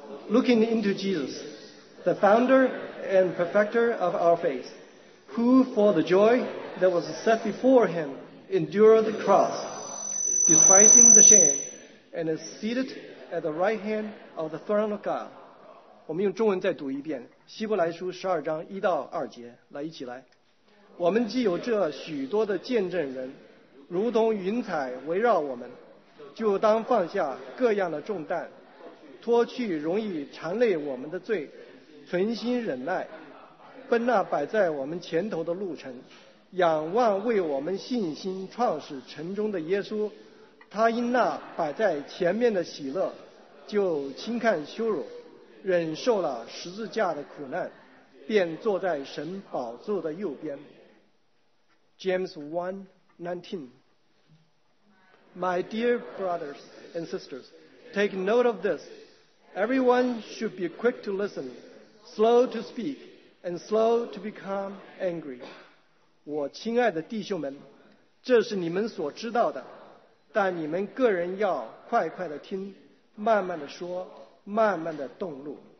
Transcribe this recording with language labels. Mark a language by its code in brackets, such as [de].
[en] looking into Jesus, the founder and perfecter of our faith, who for the joy that was set before him endured the cross, despising the shame, and is seated at the right hand of the throne of God. [zh] 我们用中文再读一遍，希伯来书12:1-2，来一起来。我们既有这许多的见证人，如同云彩围绕我们，就当放下各样的重担，脱去容易缠累我们的罪，存心忍耐，奔那摆在我们前头的路程，仰望为我们信心创始成终的耶稣，他因那摆在前面的喜乐，就轻看羞辱，忍受了十字架的苦难，便坐在神宝座的右边。 [en] James 1:19. My dear brothers and sisters, take note of this. Everyone should be quick to listen, slow to speak, and slow to become angry. [zh] 我亲爱的弟兄们，这是你们所知道的，但你们个人要快快地听，慢慢地说，慢慢地动怒。